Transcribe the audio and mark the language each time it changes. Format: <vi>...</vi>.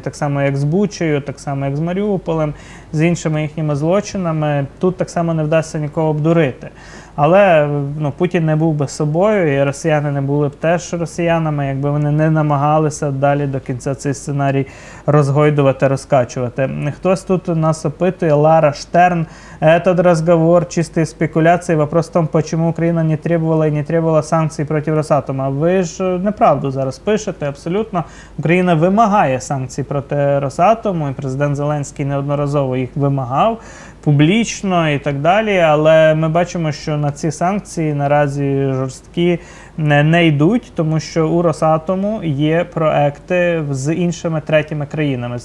<uk>Так само, як з Бучею, так само, як з Маріуполем, з іншими їхніми злочинами. Тут так само не вдасться нікого обдурити. Але ну, Путін не був би собою, і росіяни не були б теж росіянами, якби вони не намагалися далі до кінця цей сценарій розгойдувати, розкачувати. Хтось тут нас опитує,</uk> <ru>Лара Штерн, этот разговор чистые спекуляции, вопрос в том, почему Украина не требовала и не требовала санкций против Росатома.</ru> <uk>Вы ж неправду зараз пишете, абсолютно. Украина вимагає санкцій проти Росатому, і президент Зеленський неодноразово їх вимагав публічно і так далі, але ми бачимо, що на ці санкції наразі жорсткі не йдуть, тому що у Росатому є проекти з іншими третіми країнами.</uk>